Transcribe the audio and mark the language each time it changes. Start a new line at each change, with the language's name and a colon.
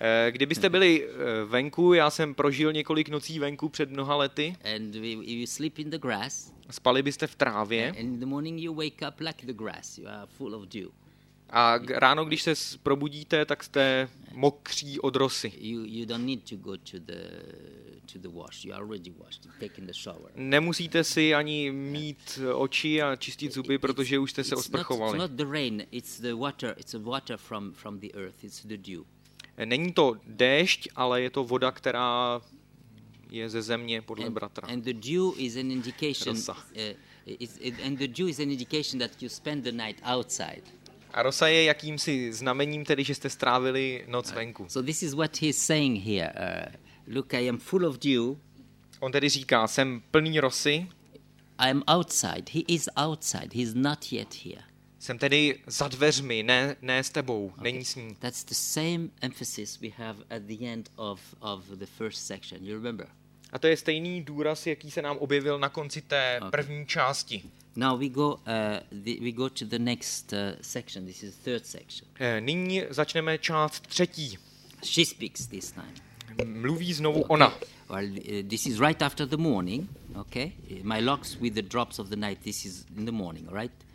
Czech: Kdybyste byli venku, já jsem prožil několik nocí venku před mnoha lety.
English: And you sleep in the grass.
Czech: Spali byste v trávě.
English: And in the morning you wake up like the grass. You are full of dew.
Czech: A ráno, když se probudíte, tak jste mokří od rosy.
English: You don't need to go to the wash. You already washed. You've taken the shower.
Czech: Nemusíte si ani mít oči a čistit zuby, protože už jste se osprchovali.
English: It's not the rain, it's the water. It's the water from the earth. It's the dew.
Czech: Není to déšť, ale je to voda, která je ze země podle bratra.
English: And the dew is an indication. And the dew is an indication that you spend the night outside.
Czech: A rosa je jakýmsi znamením, tedy že jste strávili noc venku.
English: So this is what he's saying here. Look, I am full of dew.
Czech: On tedy říká, jsem plný rosy.
English: I am outside. He is outside. He's not yet here.
Czech: Jsem tedy za dveřmi, ne s tebou, okay. Není s ní.
English: That's the same emphasis we have at the end of the first section. You remember?
Czech: A to je stejný důraz, jaký se nám objevil na konci té první části.
English: Now we go to the next section. This is the third section.
Czech: Nyní začneme část třetí.
English: She speaks this time.
Czech: Mluví znovu ona.
English: Well, this is right after the morning, okay? My locks with the drops of the night. This is in the morning, all right?